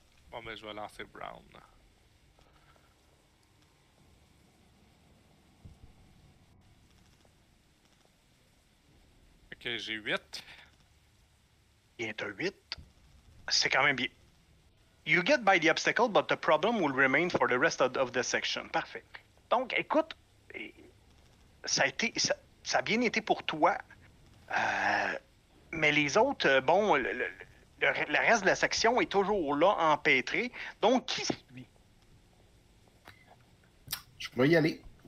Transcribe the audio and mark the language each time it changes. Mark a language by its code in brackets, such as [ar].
[fr] Bon, mais je vais lancer Brown. OK, j'ai 8. Il est un 8, c'est quand même bien. [en] You get by the obstacle, but the problem will remain for the rest of the section. [fr] Parfait. Donc, écoute, ça a bien été pour toi, mais les autres, bon, le reste de la section est toujours là, empêtré. Donc, qui suit? Je peux y aller.